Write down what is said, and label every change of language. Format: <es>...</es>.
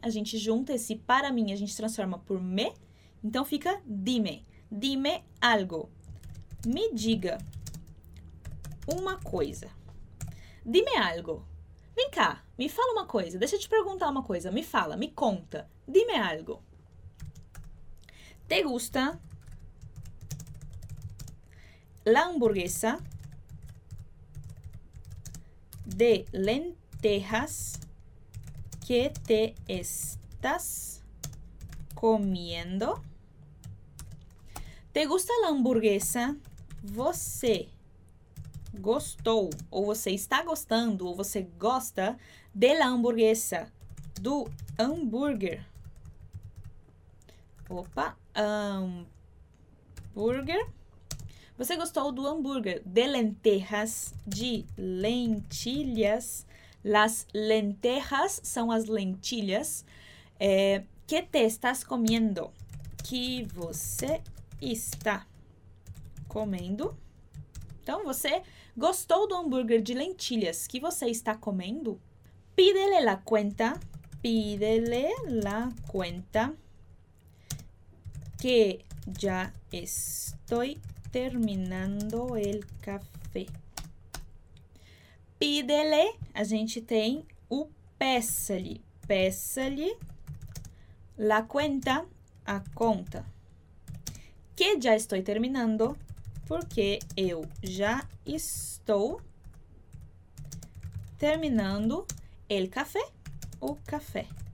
<pt>A gente junta esse para mim. A gente transforma por me. Então, fica dime.</pt> <es>Dime algo.</es> <pt>Me diga uma coisa. Dime algo. Vem cá, me fala uma coisa. Deixa eu te perguntar uma coisa. Me fala, me conta.</pt> <es>Dime algo. Te gusta la hamburguesa de lentejas que te estás comiendo? Te gusta la hamburguesa?</es> <pt>Você gostou, ou você está gostando, ou você gosta</pt> <es>de la hamburguesa,</es> <pt>do hambúrguer. Opa, hambúrguer. Você gostou do hambúrguer,</pt> <es>de lentejas,</es> <pt>de lentilhas.</pt> <es>Las lentejas</es> <pt>são as lentilhas.</pt> <es>Que te estás comiendo?</es> <pt>Que você está comendo. Então, você gostou do hambúrguer de lentilhas que você está comendo?</pt> <es>Pídele la cuenta. Pídele la cuenta. Que já estoy terminando el café.</es> <pt>Pídele, a gente tem o peça-lhe. Peça-lhe</pt> <es>la cuenta,</es> <pt>a conta.</pt> <es>Que já estoy terminando.</es> <pt>Porque eu já estou terminando</pt> <es>el café,</es> <pt>o café.</pt>